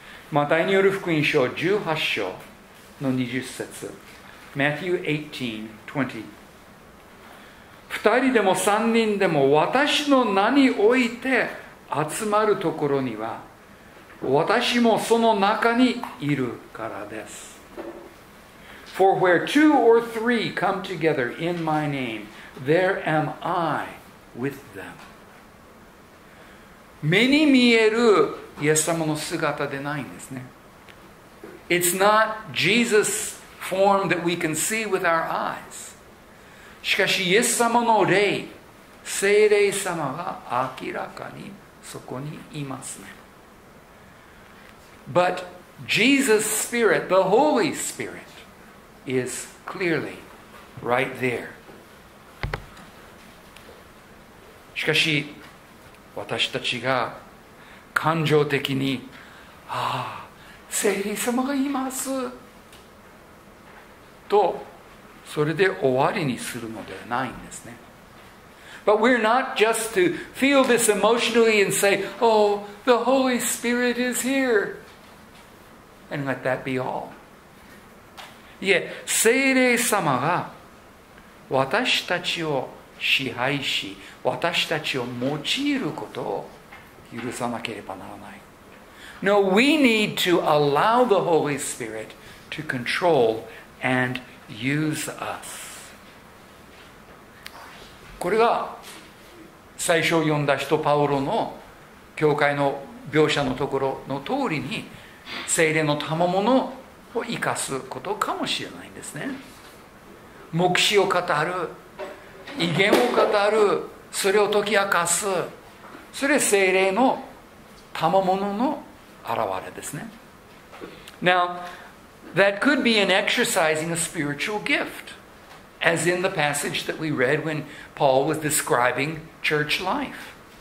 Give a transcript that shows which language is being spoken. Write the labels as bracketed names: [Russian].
[Japanese] マタイによる福音書18章の20節。 [English] Matthew 18, 20. [Japanese] 二人でも三人でも私の名において集まるところには私もその中にいるからです。 [English] For where two or three come together in my name, there am I with them. [Japanese] 目に見えるイエス様の姿でないんですね。 [English] It's not Jesus' form that we can see with our eyes. [Japanese] しかしイエス様の霊、聖霊様が明らかにそこにいますね。 [English] But Jesus' Spirit, the Holy Spirit, is clearly right there. [Japanese] しかし、私たちが感情的に、ああ、聖霊様がいますと、それで終わりにするのではないんですね。 [English] But we're not just to feel this emotionally and say, oh, the Holy Spirit is here. And let that be all. [Japanese] いえ、聖霊様が私たちを支配し、私たちを用いることを許さなければならない。 [English] No, we need to allow the Holy Spirit to control and use us. [Japanese] これが最初読んだ人パウロの教会の描写のところの通りに聖霊の賜物を生かすことかもしれないんですね。黙示を語る、異言を語る、それを解き明かす、それ聖霊の賜物の現れですね。 [English] Now, that could be an exercising a spiritual gift, as in the passage that we read when Paul was describing church life.